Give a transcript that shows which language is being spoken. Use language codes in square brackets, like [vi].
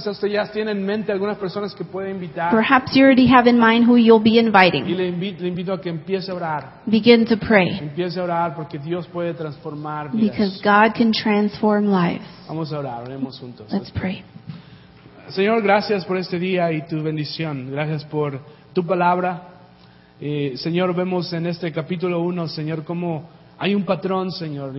[es] Quizás usted ya tiene en mente algunas personas que puede invitar. [en] Perhaps you already have in mind who you'll be inviting. [es] Y le invito a que empiece a orar. [en] Begin to pray. [es] Empiece a orar porque Dios puede transformar vidas. [en] Because God can transform lives. [es] Vamos a orar. Oremos juntos. [en] Let's pray. [es] Señor, gracias por este día y tu bendición. Gracias por tu palabra. Señor, vemos en este capítulo 1, Señor, cómo hay un patrón, Señor.